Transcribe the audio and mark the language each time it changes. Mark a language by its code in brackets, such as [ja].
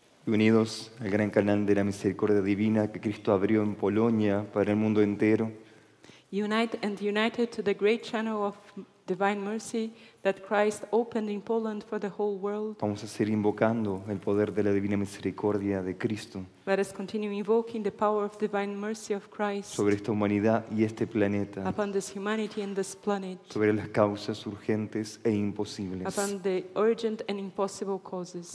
[es] De la misericordia divina que Cristo abrió en Polonia para el mundo entero. [en] United to the great channel of divine mercy that Christ opened in Poland for the whole world. [es] Vamos a seguir invocando el poder de la divina misericordia de Cristo. [en] Let us continue invoking the power of divine mercy of Christ. [es] Sobre esta humanidad y este planeta. [en] Upon this humanity and this planet. [es] Sobre las causas urgentes e imposibles. [en] Upon the urgent and impossible causes.